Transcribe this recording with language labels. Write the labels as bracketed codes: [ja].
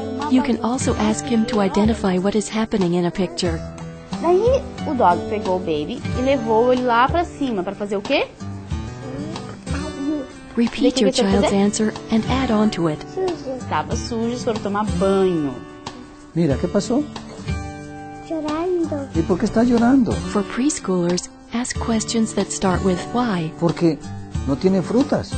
[en] You can also ask him to identify what is happening in a picture. [pt] Daí, o dog pegou o baby e levou ele lá pra cima pra fazer o quê? [en] Repeat your child's answer and add on to it. [pt] Estava sujo, foram tomar banho. Mira, o que passou? Chorando. E por que está chorando? [en] For preschoolers, ask questions that start with why. [pt] Porque não tiene frutas.